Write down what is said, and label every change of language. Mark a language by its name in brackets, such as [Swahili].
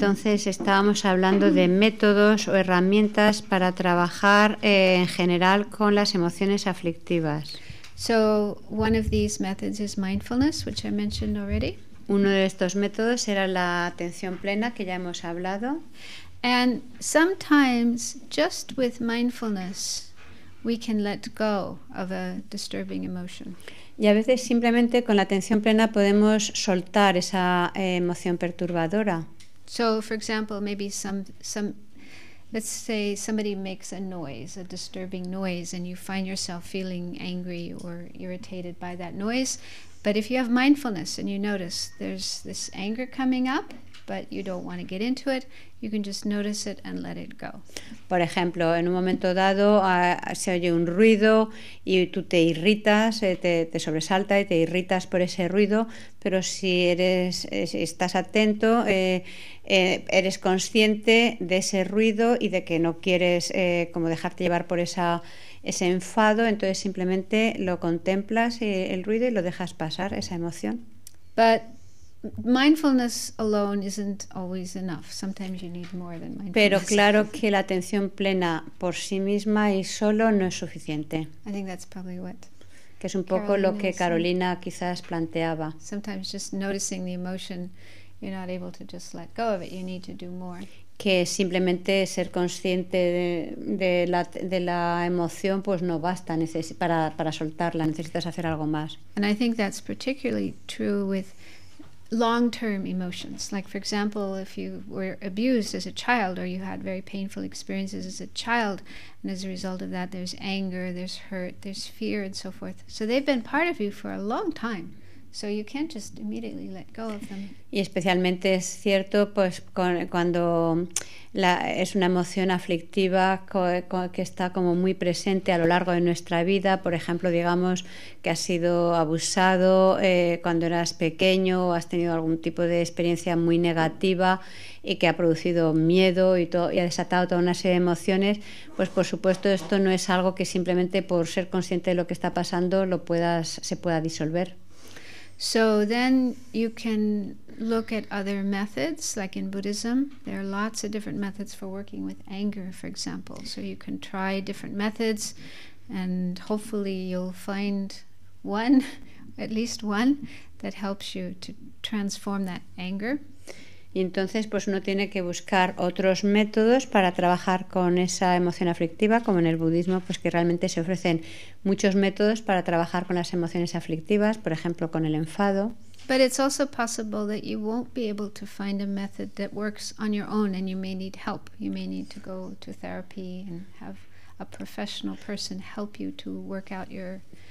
[Spanish] Entonces estábamos hablando de métodos o herramientas para trabajar en general con las emociones aflictivas. [English] So one of these methods is mindfulness, which I mentioned already. [Spanish] Uno de estos métodos era la atención plena, que ya hemos hablado. [English] And sometimes just with mindfulness we can let go of a disturbing emotion. [Spanish] Y a veces simplemente con la atención plena podemos soltar esa emoción perturbadora. [English] So, for example, maybe some let's say somebody makes a noise, a disturbing noise, and you find yourself feeling angry or irritated by that noise. But if you have mindfulness and you notice there's this anger coming up, but you don't want to get into it, you can just notice it and let it go. [Spanish] Por ejemplo, en un momento dado se oye un ruido y tú te irritas, te sobresalta y te irritas por ese ruido, pero si estás atento, eres consciente de ese ruido y de que no quieres como dejarte llevar por ese enfado, entonces simplemente lo contemplas, el ruido, y lo dejas pasar, esa emoción. [English] But mindfulness alone isn't always enough. Sometimes you need more than mindfulness. [Spanish] Pero claro que la atención plena por sí misma y solo no es suficiente. [English] I think that's probably what. [Spanish] Que es un poco lo que Carolina quizás planteaba. [English] Sometimes just noticing the emotion, you're not able to just let go of it. You need to do more. [Spanish] Que simplemente ser consciente de la emoción pues no basta, para soltarla necesitas hacer algo más. [English] And I think that's particularly true with long-term emotions, like for example if you were abused as a child or you had very painful experiences as a child, and as a result of that there's anger, there's hurt, there's fear and so forth, so they've been part of you for a long time, So you can't just immediately let go of them. [Spanish] Y especialmente es cierto pues cuando es una emoción aflictiva que está como muy presente a lo largo de nuestra vida, por ejemplo, digamos que has sido abusado cuando eras pequeño o has tenido algún tipo de experiencia muy negativa y que ha producido miedo y ha desatado toda una serie de emociones, pues por supuesto esto no es algo que simplemente por ser consciente de lo que está pasando se pueda disolver. [English] So then you can look at other methods, like in Buddhism, there are lots of different methods for working with anger, for example. So you can try different methods, and hopefully you'll find one, at least one, that helps you to transform that anger. [Spanish] Y entonces, pues uno tiene que buscar otros métodos para trabajar con esa emoción aflictiva, como en el budismo, pues que realmente se ofrecen muchos métodos para trabajar con las emociones aflictivas, por ejemplo, con el enfado. [English] But it's also possible that you won't be able to find a method that works on your own, and you may need help. You may need to go to therapy and have a professional person help you to work out your.